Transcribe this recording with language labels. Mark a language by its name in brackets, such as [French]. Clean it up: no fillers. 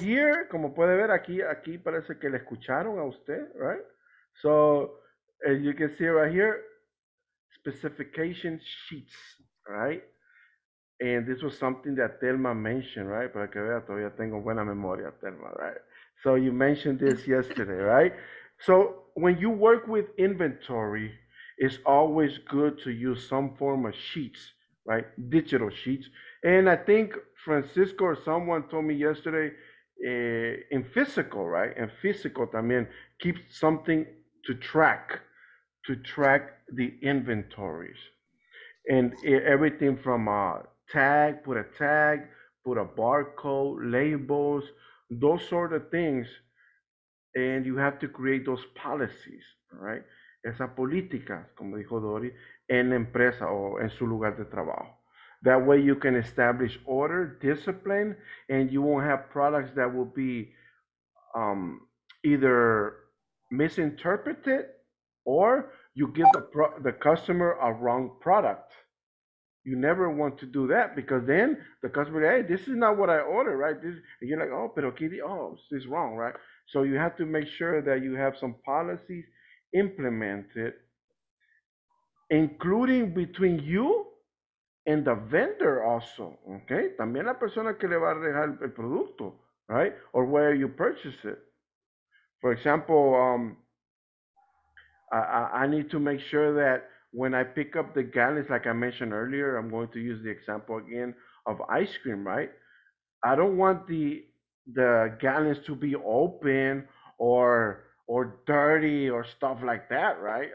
[English] Here, [Spanish] como puede ver, aquí parece que le escucharon a usted, [English] right? So you can see right here, specification sheets, right? And this was something that Thelma mentioned, right? [Spanish] Para que vea, todavía tengo buena memoria, Thelma, [English] right? So you mentioned this yesterday, right? So when you work with inventory, it's always good to use some form of sheets, right? Digital sheets. And I think Francisco or someone told me yesterday, in physical, right? And physical [Spanish] también, [English] keep something to track the inventories. And everything from a tag, put a tag, put a barcode, labels, those sort of things. And you have to create those policies, right? [Spanish] Esa política, como dijo Dori, en la empresa o en su lugar de trabajo. [English] That way you can establish order, discipline, and you won't have products that will be either misinterpreted or you give the customer a wrong product. You never want to do that because then the customer, hey, this is not what I ordered, right? This, and you're like, oh, pero Kitty, oh, it's wrong, right? So you have to make sure that you have some policies implemented, including between you and the vendor also, okay? [Spanish] También la persona que le va a dejar el producto, [English] right? Or where you purchase it. For example, I need to make sure that when I pick up the gallons, like I mentioned earlier, I'm going to use the example again of ice cream, right? I don't want the gallons to be open or dirty or stuff like that, right?